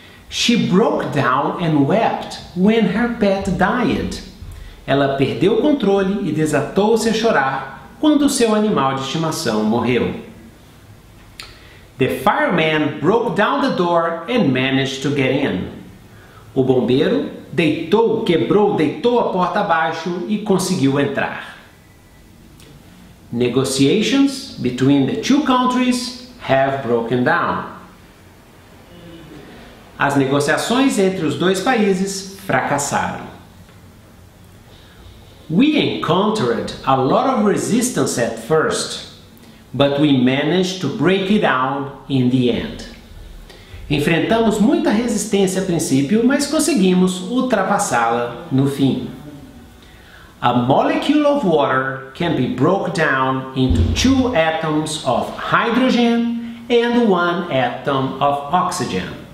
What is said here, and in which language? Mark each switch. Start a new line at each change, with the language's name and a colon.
English: She broke down and wept when her pet died.
Portuguese: Ela perdeu o controle e desatou-se a chorar quando seu animal de estimação morreu.
English: The fireman broke down the door and managed to get in.
Portuguese: O bombeiro deitou a porta abaixo e conseguiu entrar.
English: Negotiations between the two countries have broken down.
Portuguese: As negociações entre os dois países fracassaram.
English: We encountered a lot of resistance at first, but we managed to break it down in the end.
Portuguese: Enfrentamos muita resistência a princípio, mas conseguimos ultrapassá-la no fim.
English: A molecule of water can be broken down into two atoms of hydrogen and one atom of oxygen.